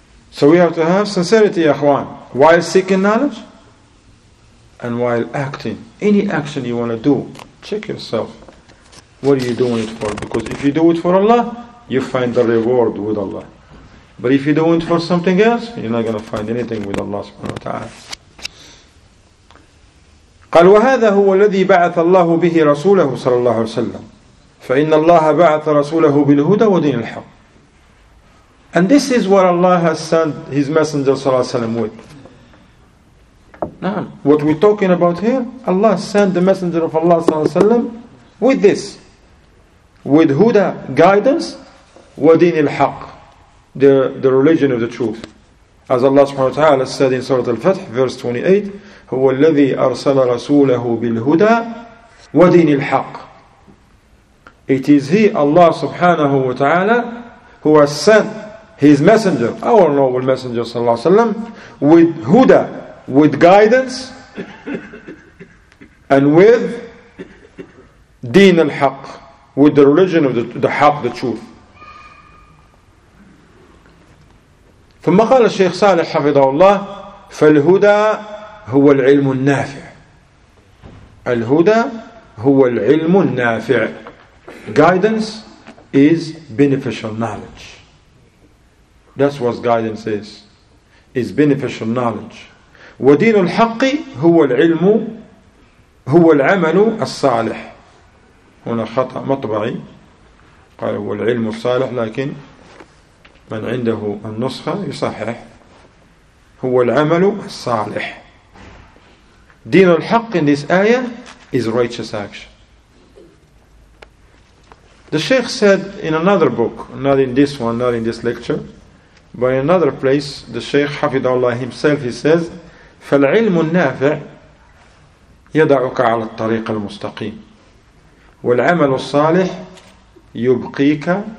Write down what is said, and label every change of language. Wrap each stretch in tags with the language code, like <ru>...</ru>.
<en>So we have to have sincerity, Akhwan, while seeking knowledge and while acting. Any action you want to do, check yourself. What are you doing it for? Because if you do it for Allah, you find the reward with Allah. But if you do it for something else, you're not going to find anything with Allah subhanahu wa ta'ala.</en> <ar>قال وهذا هو الذي بعث الله به رسوله صلى الله عليه وسلم فإن الله بعث رسوله بالهدى ودين الحق.</ar> <en>And this is what Allah has sent His Messenger صلى الله عليه وسلم with.</en> <ar>نعم.</ar> <en>What we're talking about here, Allah sent the Messenger of Allah صلى الله عليه وسلم with this. With هدى, guidance, ودين الحق. The religion of the truth. As Allah subhanahu wa ta'ala said in Surah Al-Fath, verse 28,</en> <ar>هو الذي أرسل رسوله بالهدى ودين الحق.</ar> <en>It is He, Allah subhanahu wa ta'ala, who has sent His Messenger, our noble Messenger صلى الله عليه وسلم, with هدى, with guidance, and with دين الحق, with the religion of the حق, the truth.</en> <ar>ثم قال الشيخ صالح حفظه الله فالهدى هو العلم النافع. الهدى هو العلم النافع. Guidance is beneficial knowledge. That's what guidance is. Is beneficial knowledge. ودين الحق هو العلم هو العمل الصالح. هنا خطأ مطبعي. قال هو العلم الصالح لكن من عنده النسخة يصحح هو العمل الصالح.</ar> <en>دين الحق in this ayah is righteous action. The Shaykh said in another book, not in this one, not in this lecture, but in another place, the Shaykh Hafidhullah himself, he says,</en> <ar>فالعلم النافع يضعك على الطريق المستقيم والعمل الصالح يبقيك</ar>